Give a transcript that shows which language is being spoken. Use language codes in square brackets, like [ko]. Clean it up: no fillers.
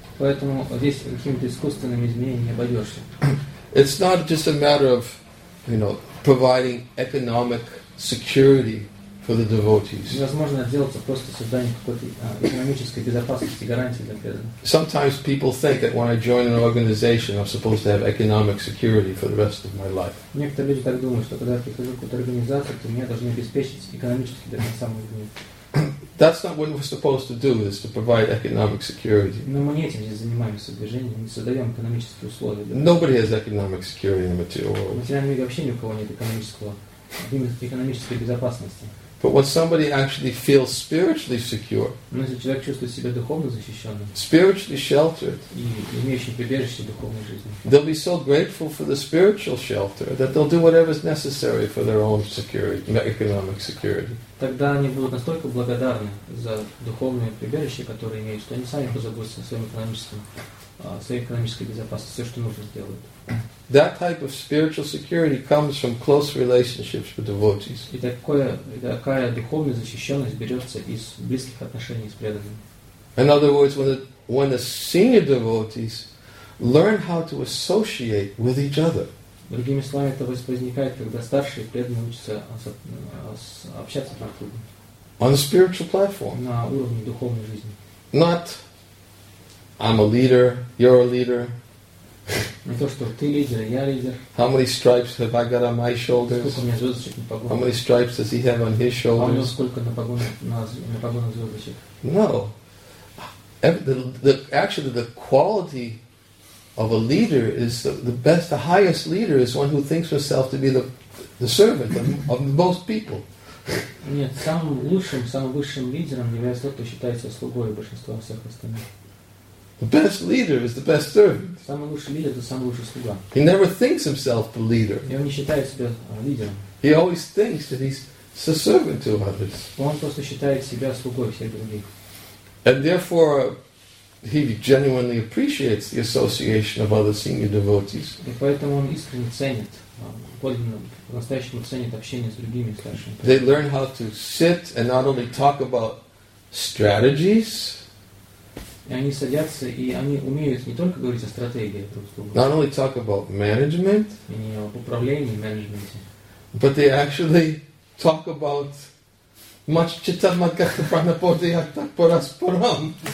[ru] Поэтому здесь какими-то искусственными изменениями не обойдешься. [en] It's not just a matter of, you know, providing economic security. For the devotees. [ru] Невозможно отделаться просто созданием какой-то экономической безопасности, гарантии для преданных. [en] Sometimes people think that when I join an organization, I'm supposed to have economic security for the rest of my life. [ru] Некоторые люди так думают, что когда я прихожу в какую-то организацию, то меня должны обеспечить экономически до конца моих дней. [en] That's not what we're supposed to do. Is to provide economic security. [ru] Но мы не этим здесь занимаемся, движением, мы создаем экономические условия. Для... [en] Nobody has economic security in the material world. [ru] В материальном мире вообще ни у кого нет экономического. Экономической безопасности. [en] But when somebody actually feels spiritually secure, [ru] но если человек чувствует себя духовно защищенным, [en] spiritually sheltered, [ru] и имеющим прибежище духовной жизни, [en] they'll be so grateful for the spiritual shelter that they'll do whatever's necessary for their own security, economic security. [ru] Тогда они будут настолько благодарны за духовное прибежище, которое имеют, что они сами позаботятся о своем экономическом своей экономической безопасности, все, что нужно сделают. [en] That type of spiritual security comes from close relationships with devotees. [ru] И такая духовная защищенность берется из близких отношений с преданными. [en] In other words, when the senior devotees learn how to associate with each other. [ru] Другими словами, это возникает, когда старшие преданные учатся общаться друг с другом. [en] On a spiritual platform. [ru] На уровне духовной жизни. [en] Not, I'm a leader, you're a leader. [ru] Не то, что ты лидер, я лидер. [en] How many stripes have I got on my shoulders? [ru] Сколько у меня звездочек на погонах? [en] How many stripes does he have on his shoulders? [ru] А у него сколько на погонах звездочек? [en] No. Actually, the quality of a leader is the best, the highest leader is one who thinks himself to be the servant of most people. [ru] Нет, самым лучшим, самым высшим лидером является тот, кто считается слугой большинства всех остальных. [en] The best leader is the best servant. [ru] Самый лучший лидер — это самый лучший слуга. [en] He never thinks himself the leader. [ru] И он не считает себя лидером. [en] He always thinks that he's a servant to others. [ru] Он просто считает себя слугой всех других. [en] And therefore, he genuinely appreciates the association of other senior devotees. [ru] И поэтому он искренне ценит, по-настоящему ценит общение с другими старшими. [en] They learn how to sit and not only talk about strategies. [ru] И они садятся, и они умеют не только говорить о стратегии этого служения. [en] Not only talk about management. [ru] И не об управлении, менеджменте. [en] But they actually talk about [sa] much chitamakata pranapodiyata parasparam.